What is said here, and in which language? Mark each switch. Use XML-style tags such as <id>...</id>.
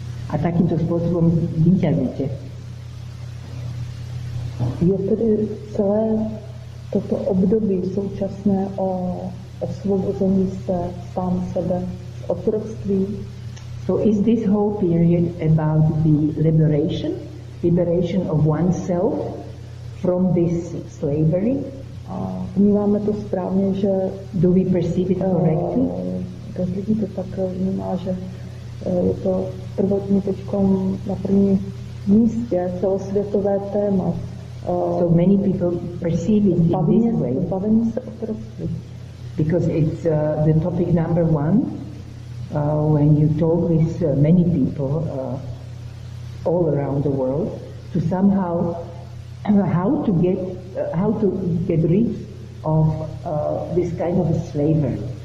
<sk>A takýmto spôsobom vyťazíte.</sk> <cs>Je tedy celé toto období současné o osvobození se sám sebe z otroctví?</cs> <en>So is this whole period about the liberation? Liberation of oneself from this slavery?</en> <cs>Vnímáme to správně, že...</cs> <en>Do we perceive it correctly?</en> <cs>Každý to tak vnímá, že je to prvotní teďkom na první místě celosvětové téma.</cs> <en>So many people perceive it in this way.</en> <cs>Zbavení se otroctví.</cs> <en>Because it's the topic number one. When you talk with many people all around the world, to somehow how to get rid of this kind of a slavery.</en>